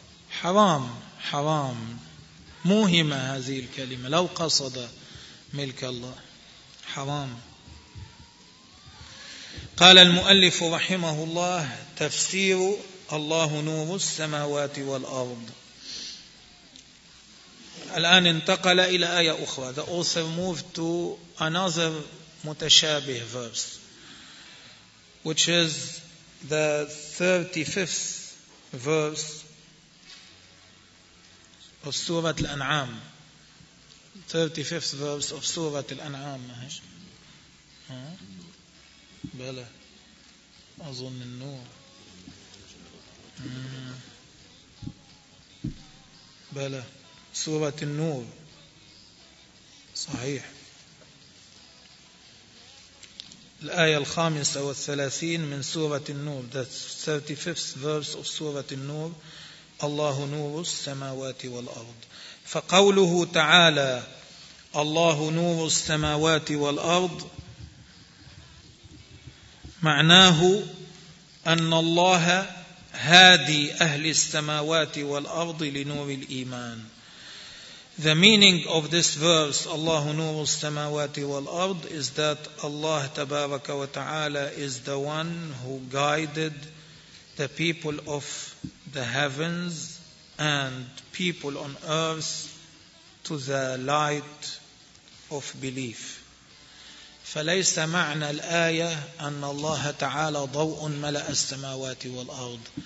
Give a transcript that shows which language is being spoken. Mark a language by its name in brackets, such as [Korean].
[Arabic] حرام حرام موهمة هذه الكلمة لو قصد ملك الله حرام. قال المؤلف رحمه الله تفسير الله نور السماوات والأرض. الآن انتقل إلى آية أخرى. [English] The author moved to another متشابه verse, which is the 35th verse of Surah Al-An'am. 35th verse of Surah Al-An'am. [Arabic] بلى أظن النور. بلى سورة النور صحيح الآية 35 من سورة النور. [English] That's 35th verse of سورة النور. [Arabic] الله نور السماوات والأرض. فقوله تعالى الله نور السماوات والأرض معناه أن الله هادي أهل السماوات والأرض لنور الإيمان. [English] The meaning of this verse, Allah [Arabic] نور السماوات والأرض, [English] is that Allah تبارك وتعالى is the one who guided the people of the heavens and people on earth to the light of belief. [Arabic] فليس معنى الآية أن الله تعالى ضوء ملأ السماوات والأرض.